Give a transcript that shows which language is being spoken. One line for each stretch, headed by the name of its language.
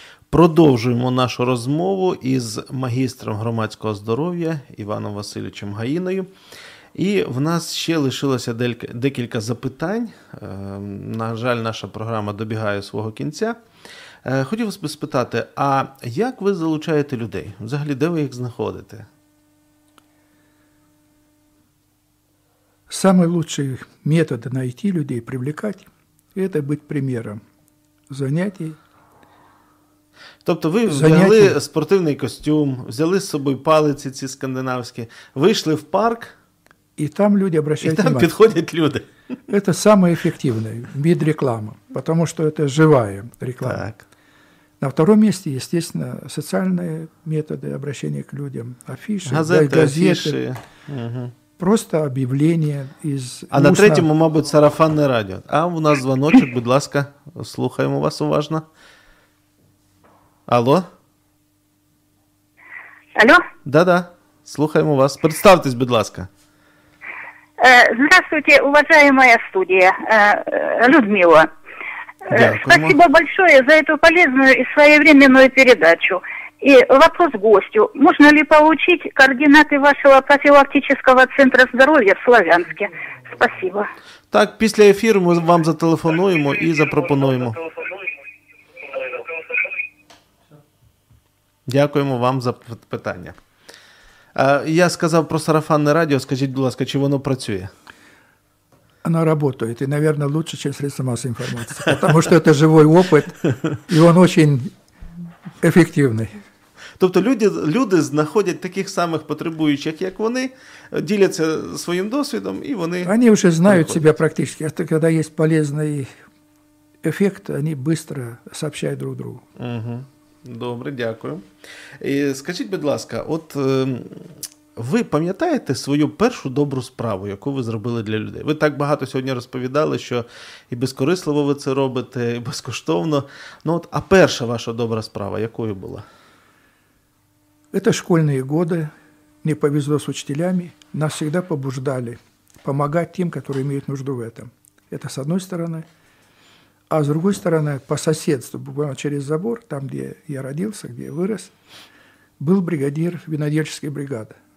Ukrainian: Продовжуємо нашу розмову із магістром громадського здоров'я Іваном Васильовичем Гаїною. І в нас ще лишилося декілька запитань. На жаль, наша програма добігає свого кінця. Хотів би спитати, а як ви залучаєте людей? Взагалі, де ви їх знаходите?
Russian: Самый лучший метод найти людей, привлекать, это быть примером занятий.
Ukrainian: Тобто ви взяли спортивний костюм, взяли з собою палиці ці скандинавські, вийшли в парк. І там люди обращають увагу. І там підходять люди.
Russian: Это самое эффективное, вид рекламы, потому что это живая реклама.
Ukrainian: Так.
Russian: На втором месте, естественно, социальные методы обращения к людям. Афиши, газеты. Афиши. Угу.
Ukrainian: Просто об'явлення із... А на третьому, мабуть, сарафанне радіо. А у нас дзвоночок, будь ласка, слухаємо вас уважно. Алло? Алло? Да-да, слухаємо вас. Представтесь, будь ласка.
Russian: Здравствуйте, уважаемая студія, Людмила.
Ukrainian: Дякуємо.
Russian: Спасибо большое за эту полезную и своевременную передачу. И вопрос гостю. Можно ли получить координаты вашего профилактического центра здоровья в Славянске? Спасибо. Так, после эфира мы вам
Ukrainian: зателефонуем и запропонуем. Дякуємо вам за питання. Я сказав про сарафанне радіо. Скажіть, будь ласка, чи воно працює?
Russian: Оно работает, и, наверное, лучше, чем средства массовой информации, потому что это живой опыт, и он очень эффективный.
Ukrainian: Тобто люди знаходять таких самих потребуючих, як вони, діляться своїм досвідом, і вони... Вони вже знають себе практично. Коли є полезний
Russian: эффект они быстро сообщают друг другу.
Ukrainian: Угу. Добре, дякую. І скажіть, будь ласка, от ви пам'ятаєте свою першу добру справу, яку ви зробили для людей? Ви так багато сьогодні розповідали, що і безкорисливо ви це робите, і безкоштовно. Ну от, а перша ваша добра справа якою була? Це школьні роки.
Russian: Не повезло с учителями, нас всегда побуждали помогать тем, которые имеют нужду в этом. Это с одной стороны. А с другой стороны, по соседству, буквально через забор, там, где я родился, где я вырос, был бригадир винодельческой бригады.